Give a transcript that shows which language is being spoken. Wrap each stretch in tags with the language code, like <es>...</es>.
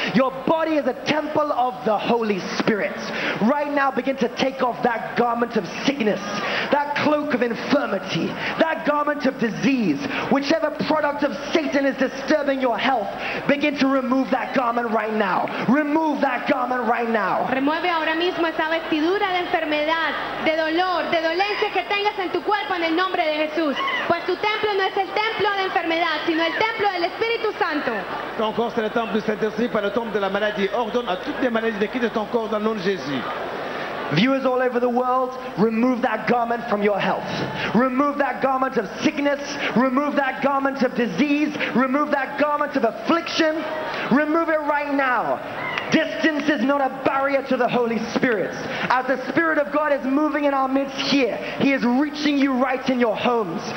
<en>Your body is a temple of the Holy Spirit. Right now, begin to take off that garment of sickness, that cloak of infirmity, that garment of disease, whichever product of Satan is disturbing your health. Begin to remove that garment right now. Remove that garment right now.</en> <es>Remueve ahora mismo esa vestidura de enfermedad, de dolor, de dolencia que tengas en tu cuerpo en el nombre de Jesús. Pues tu templo no es el templo de enfermedad, sino el templo del Espíritu Santo.</es> <fr>Ton corps c'est le temple du Saint-Esprit, pas le temple de la maladie. Ordonne à toutes les maladies de quitter ton corps dans le nom de Jésus.</fr> <en>Viewers all over the world, remove that garment from your health. Remove that garment of sickness. Remove that garment of disease. Remove that garment of affliction. Remove it right now. Distance is not a barrier to the Holy Spirit. As the Spirit of God is moving in our midst here, He is reaching you right in your homes.</en>